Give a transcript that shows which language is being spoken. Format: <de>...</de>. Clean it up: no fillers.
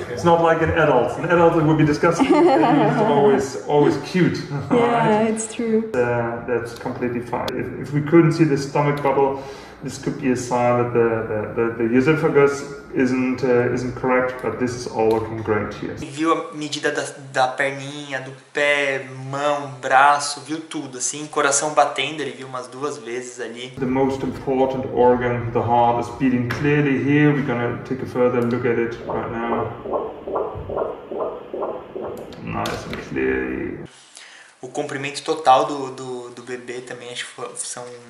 <en>it's not like an adult. An adult would be disgusting. It's always cute. Yeah, it's true. That's completely fine. If we couldn't see the stomach bubble, this could be a sign that the esophagus isn't correct, but this is all looking great here.</en> <pt>E viu a medida da perninha, do pé, mão, braço, viu tudo, assim, coração batendo, ele viu umas duas vezes ali.</pt> <en>The most important organ, the heart, is beating clearly here. We're gonna take a further look at it right now. Nice and clear.</en> <pt>O comprimento total do bebê também, acho que são</pt>